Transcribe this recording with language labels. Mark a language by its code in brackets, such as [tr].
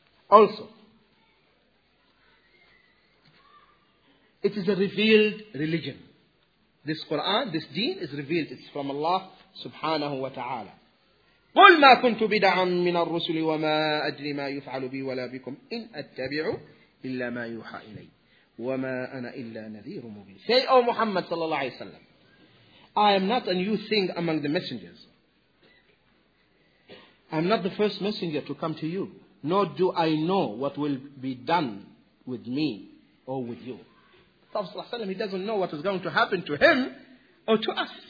[en] Also, it is a revealed religion. This Quran, this deen is revealed. It's from Allah subhanahu wa ta'ala. [ar] قُلْ مَا كُنْتُ بِدَعًا مِنَ الرُّسُلِ وَمَا أَدْرِي مَا يُفْعَلُ بِي وَلَا بِكُمْ إِنْ أَتَّبِعُ إِلَّا مَا يُوحَى إِلَيْهِ وَمَا أَنَا إِلَّا نَذِيرٌ مُبِينٌ. [en] Say, O Muhammad sallallahu alayhi wa sallam, I am not a new thing among the messengers. I am not the first messenger to come to you. Nor do I know what will be done with me or with you. Prophet, he doesn't know what is going to happen to him or to us.